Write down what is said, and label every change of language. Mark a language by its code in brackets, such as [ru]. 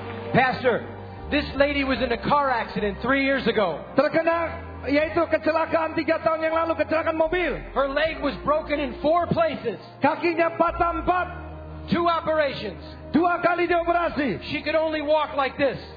[en] Pastor, this lady was in a car accident 3 years ago. [id] Terkena, yaitu kecelakaan 3 tahun yang lalu, kecelakaan mobil. [en] Her leg was broken in 4 places. [id] Kakinya patah 4. [en] 2 operations. [id] 2 kali dioperasi. [en] She could only walk like this.